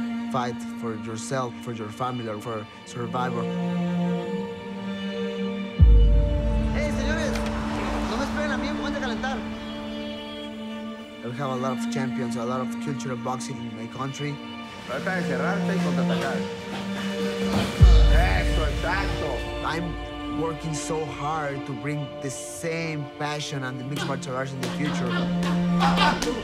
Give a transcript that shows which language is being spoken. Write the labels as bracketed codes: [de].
[en] Fight for yourself, for your family, or for survival. [es] Hey, señores, no me esperen a mí, voy a calentar. [en] I have a lot of champions, a lot of culture of boxing in my country. I'm working so hard to bring the same passion and the mixed martial arts in the future.